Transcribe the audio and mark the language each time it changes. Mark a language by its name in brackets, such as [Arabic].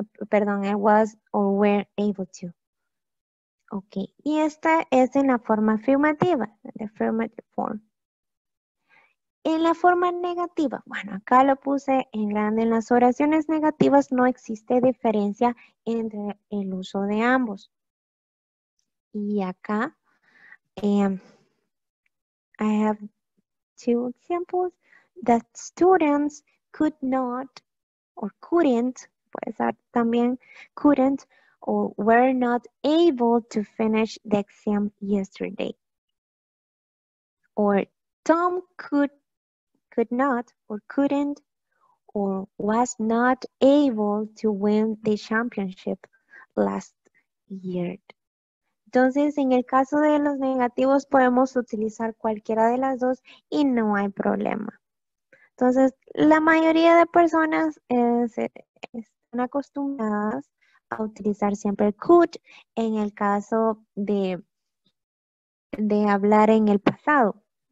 [Spanish] Perdón, [English] I was or were able to. Ok, [Spanish] y esta es en la forma afirmativa, [English] the affirmative form. [Spanish] En la forma negativa, bueno, acá lo puse en grande, en las oraciones negativas no existe diferencia entre el uso de ambos. Y acá, [English] I have two examples, that students could not, or couldn't, [Spanish] puede ser también, [English] couldn't, or were not able to finish the exam yesterday. Or Tom could not, or couldn't, or was not able to win the championship last year. [Spanish] Entonces, en el caso de los negativos, podemos utilizar cualquiera de las dos y no hay problema. Entonces, la mayoría de personas están acostumbradas a utilizar siempre could en el caso de hablar en el pasado.